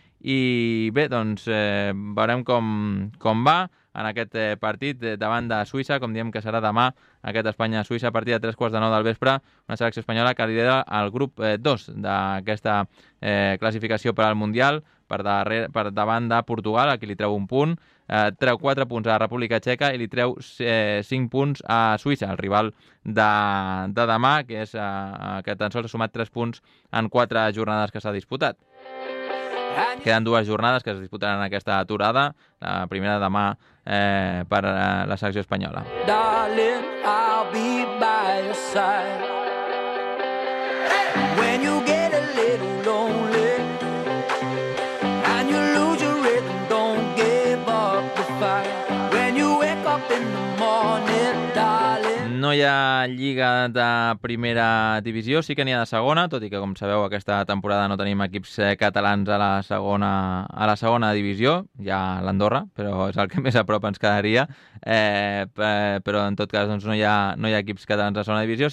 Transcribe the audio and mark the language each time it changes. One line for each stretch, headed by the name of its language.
Catalan: I bé, doncs veurem com va en aquest partit davant de Suïssa, com diem que serà demà aquest Espanya-Suïssa a partir de 3:15 del vespre, una selecció espanyola que lidera el grup 2 d'aquesta classificació per al Mundial, per davant de Portugal, a qui li treu un punt, treu 4 punts a la República Txeca i li treu 5 punts a Suïssa, el rival de demà, que és que tan sols ha sumat 3 punts en 4 jornades que s'ha disputat. Queden dues jornades que es disputaran en aquesta aturada, la primera demà per la selecció espanyola.
English: Darling, I'll be by your side. When you get a little lonely and you lose your rhythm, don't give up the fight. When you wake up in the morning, darling.
Catalan: No hi ha lliga de primera divisió, sí que n'hi ha de segona, tot i que, com sabeu, aquesta temporada no tenim equips catalans a la segona divisió. Hi ha l'Andorra, però és el que més a prop ens quedaria. Però, en tot cas, doncs, no hi ha equips catalans a segona divisió.